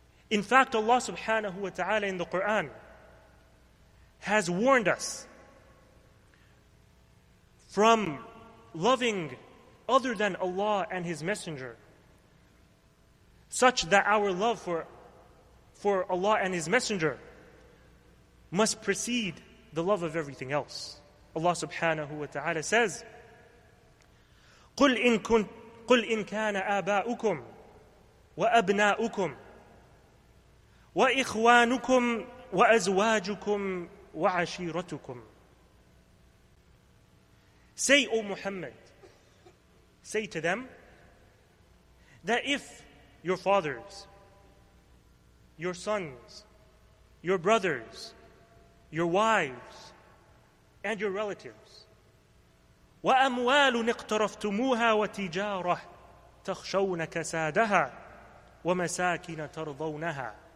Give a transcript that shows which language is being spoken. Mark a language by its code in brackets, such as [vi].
[en] In fact, Allah subhanahu wa ta'ala in the Quran has warned us from loving other than Allah and His Messenger, such that our love for Allah and His Messenger must precede the love of everything else. Allah subhanahu wa ta'ala says, [ar] قُلْ إِنْ كَانَ آبَاؤُكُمْ وَأَبْنَاؤُكُمْ وَإِخْوَانُكُمْ وَأَزْوَاجُكُمْ وَعَشِيرَتُكُمْ. [en] Say, O Muhammad, say to them that if your fathers, your sons, your brothers, your wives, and your relatives, [ar] وَأَمْوَالٌ اِقْتَرَفْتُمُوهَا وَتِجَارَةٌ تَخْشَوْنَ كَسَادَهَا وَمَسَاكِنَ تَرْضَوْنَهَا.